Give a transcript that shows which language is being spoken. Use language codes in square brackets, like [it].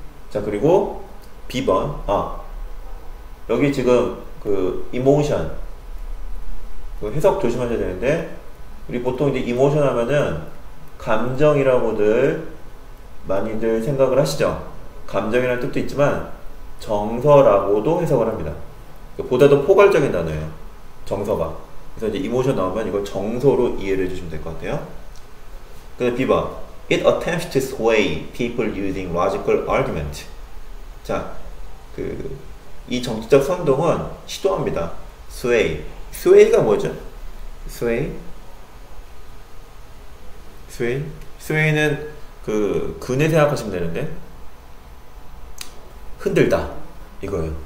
[ko] 자, 그리고 B번. 여기 지금 그 emotion 그 해석 조심하셔야 되는데 우리 보통 이제 emotion 하면은 감정이라고들 많이들 생각을 하시죠. 감정이라는 뜻도 있지만 정서라고도 해석을 합니다. 보다 더 포괄적인 단어예요. 정서가. 그래서 이제 emotion 나오면 이걸 정서로 이해를 해주시면 될것 같아요. 그다음 B번. [en] It attempts to sway people using logical argument. [ko] 자, 그이 정치적 선동은 시도합니다. [en] Sway. Sway가 [ko] 뭐죠? [en] Sway. Sway. [ko] Sway는 그 근에 생각하시면 되는데 흔들다 이거예요.